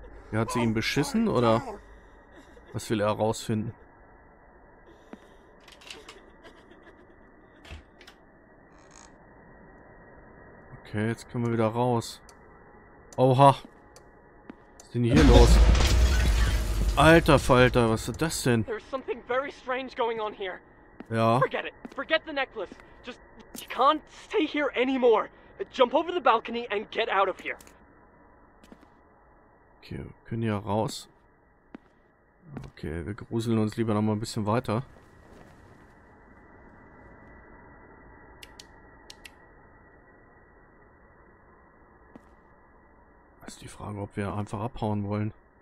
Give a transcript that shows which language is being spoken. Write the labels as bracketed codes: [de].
[de] Ja, hat sie ihn beschissen oder was will er herausfinden? Okay, jetzt können wir wieder raus. Oha. Was ist denn hier los? Alter Falter, was ist das denn? [en] There's something very strange going on here. [de] Ja. [en] Forget it. Forget the necklace. Just you can't stay here anymore. Jump over the balcony and get out of here. [de] Okay, wir können ja raus. Okay, wir gruseln uns lieber nochmal ein bisschen weiter. Das ist die Frage, ob wir einfach abhauen wollen.